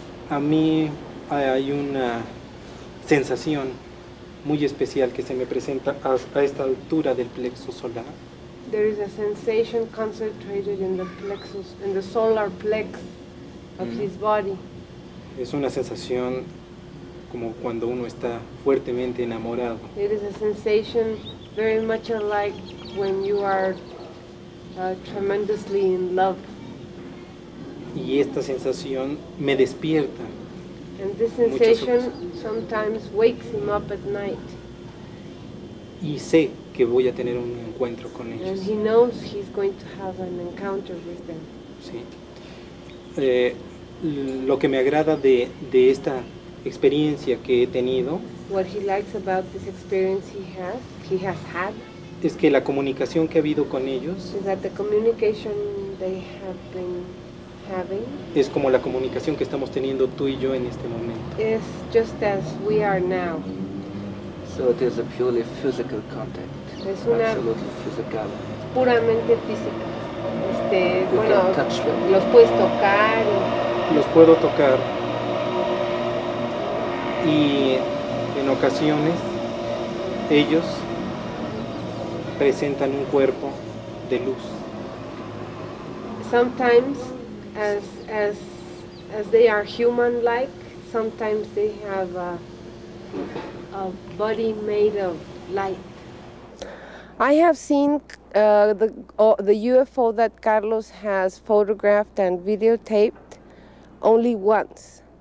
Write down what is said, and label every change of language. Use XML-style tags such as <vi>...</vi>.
<es>A mí hay una sensación muy especial que se me presenta a esta altura del plexo solar.</es> <en>There is a sensation concentrated in the plexus, in the solar plex of his body.</en> <es>Es una sensación como cuando uno está fuertemente enamorado.</es> <en>It is a sensation very much alike when you are tremendously in love.</en> <es>Y esta sensación me despierta.</es> <en>And this sensation sometimes wakes him up at night.</en> <es>Y sé que voy a tener un encuentro con ellos.</es> <en>And he knows he's going to have an encounter with them.</en> <es>Sí. Lo que me agrada de esta experiencia que he tenido.</es> <en>What he likes about this experience he has had.</en> <es>Es que la comunicación que ha habido con ellos</es> <en>is that the communication they have been having</en> <es>es como la comunicación que estamos teniendo tú y yo en este momento.</es> <en>Is just as we are now. So it is a purely physical contact.</en> <es>Es una puramente física. Los puedes tocar. Los puedo tocar. Y en ocasiones ellos presentan un cuerpo de luz.</es> <en>Sometimes as they are human like, sometimes they have a body made of light. I have seen the UFO that Carlos has photographed and videotaped only once.</en>